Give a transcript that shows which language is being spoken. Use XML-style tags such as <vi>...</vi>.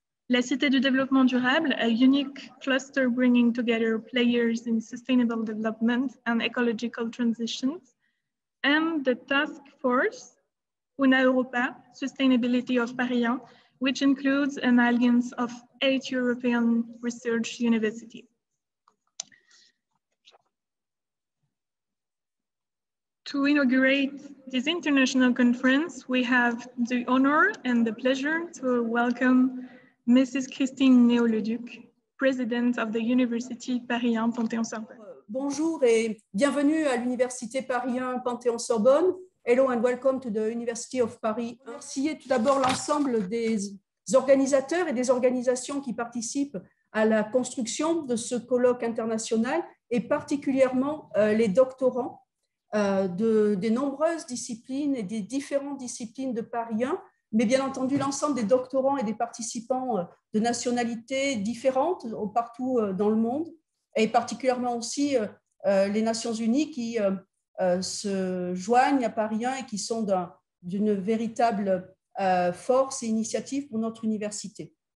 <en>La Cité du Développement Durable, a unique cluster bringing together players in sustainable development and ecological transitions, and the task force UNA Europa, Sustainability of Paris 1, which includes an alliance of 8 European research universities. To inaugurate this international conference, we have the honor and the pleasure to welcome Mrs. Christine Néo-Leduc, President of the University Paris 1 Panthéon-Sorbonne.</en> <fr>Bonjour et bienvenue à l'Université Paris 1 Panthéon-Sorbonne.</fr> <en>Hello and welcome to the University of Paris.</en> <fr>Remercier tout d'abord l'ensemble des organisateurs et des organisations qui participent à la construction de ce colloque international et particulièrement les doctorants des nombreuses disciplines et des différentes disciplines de Paris 1, mais bien entendu l'ensemble des doctorants et des participants de nationalités différentes partout dans le monde et particulièrement aussi les Nations Unies qui se joignent à Paris 1 et qui sont d'une véritable force et initiative pour notre université.</fr>